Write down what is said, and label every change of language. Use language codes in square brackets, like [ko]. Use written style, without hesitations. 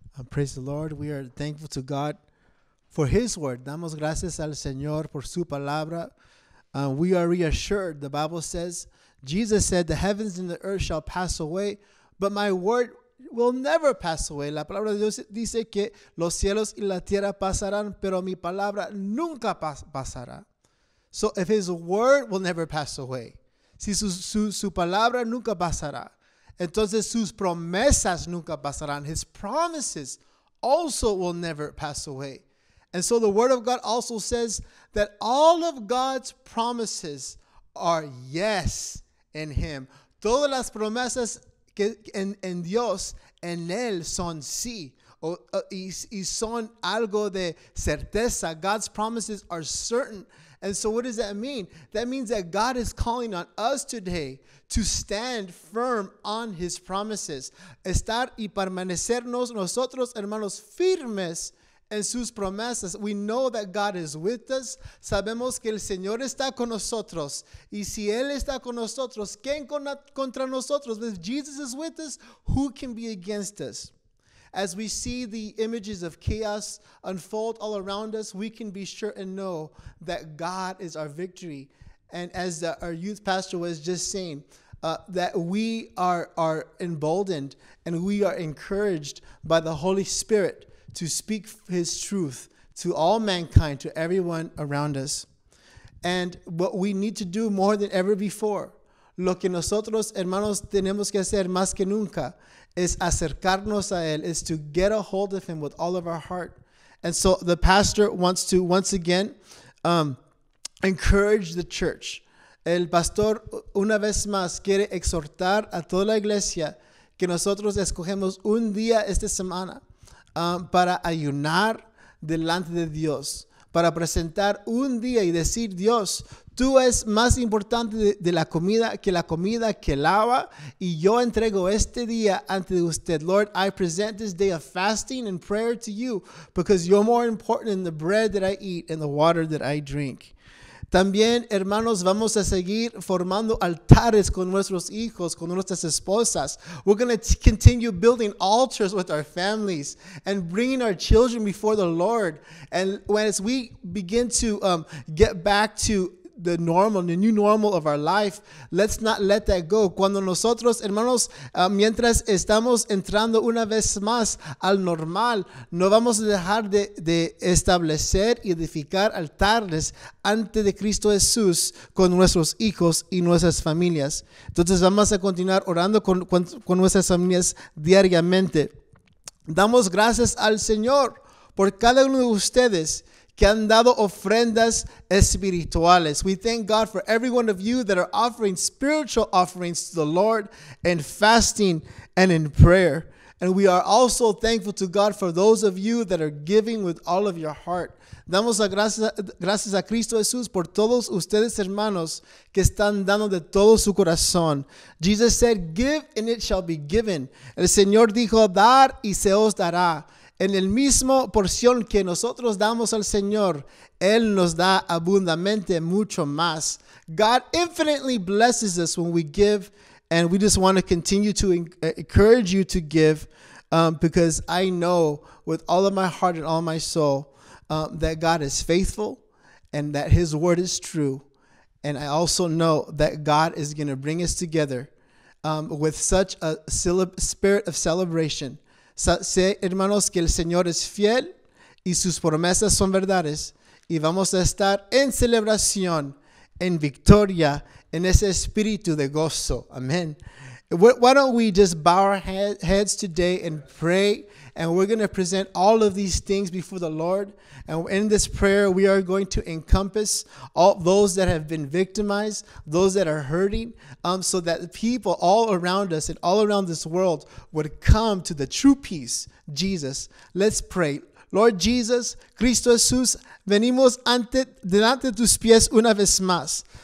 [en] Praise the Lord. We are thankful to God for his word. [es] Damos gracias al Señor por su palabra. [en] We are reassured. The Bible says, Jesus said, the heavens and the earth shall pass away, but my word will never pass away. [es] La palabra de Dios dice que los cielos y la tierra pasarán, pero mi palabra nunca pasará. [en] So if his word will never pass away, [es] si su palabra nunca pasará, entonces sus promesas nunca pasarán. [en] His promises also will never pass away. And so the word of God also says that all of God's promises are yes in him. [es] Todas las promesas que en Dios, en él son sí, y son algo de certeza. [en] God's promises are certain. And so what does that mean? That means that God is calling on us today to stand firm on his promises. [es] Estar y permanecernos nosotros, hermanos, firmes en sus promesas. [en] We know that God is with us. [es] Sabemos que el Señor está con nosotros. Y si Él está con nosotros, ¿quién contra nosotros? [en] If Jesus is with us, who can be against us? As we see the images of chaos unfold all around us, we can be sure and know that God is our victory. And as our youth pastor was just saying, that we are emboldened and we are encouraged by the Holy Spirit to speak his truth to all mankind, to everyone around us. And what we need to do more than ever before, [es] lo que nosotros, hermanos, tenemos que hacer más que nunca, es acercarnos a él, [en] is to get a hold of him with all of our heart. And so the pastor wants to, once again, encourage the church. [es] El pastor, una vez más, quiere exhortar a toda la iglesia que nosotros escogemos un día esta semana para ayunar delante de Dios, para presentar un día y decir, Dios, tú eres más importante de la comida que lava, y yo entrego este día ante usted. [en] Lord, I present this day of fasting and prayer to you because you're more important than the bread that I eat and the water that I drink. [es] También, hermanos, vamos a seguir formando altares con nuestros hijos, con nuestras esposas. [en] We're going to continue building altars with our families and bringing our children before the Lord. And as we begin to get back to the normal, the new normal of our life, let's not let that go. [es] Cuando nosotros, hermanos, mientras estamos entrando una vez más al normal, no vamos a dejar de establecer y edificar altares ante de Cristo Jesús con nuestros hijos y nuestras familias. Entonces vamos a continuar orando con nuestras familias diariamente. Damos gracias al Señor por cada uno de ustedes que han dado ofrendas espirituales. [en] We thank God for every one of you that are offering spiritual offerings to the Lord in fasting and in prayer. And we are also thankful to God for those of you that are giving with all of your heart. [es] Damos gracias a Cristo Jesús por todos ustedes, hermanos, que están dando de todo su corazón. [en] Jesus said, give and it shall be given. [es] El Señor dijo, dar y se os dará. En el mismo porción que nosotros damos al Señor, Él nos da abundantemente mucho más. [en] God infinitely blesses us when we give, and we just want to continue to encourage you to give because I know with all of my heart and all my soul that God is faithful and that his word is true. And I also know that God is going to bring us together with such a spirit of celebration. [es] Sé, hermanos, que el Señor es fiel y sus promesas son verdades, y vamos a estar en celebración en victoria, en ese espíritu de gozo. Amen. [en] Why don't we just bow our heads today and pray? And we're going to present all of these things before the Lord. And in this prayer, we are going to encompass all those that have been victimized, those that are hurting, so that people all around us and all around this world would come to the true peace, Jesus. Let's pray. Lord Jesus, [es] Cristo Jesús, venimos ante delante de tus pies una vez más.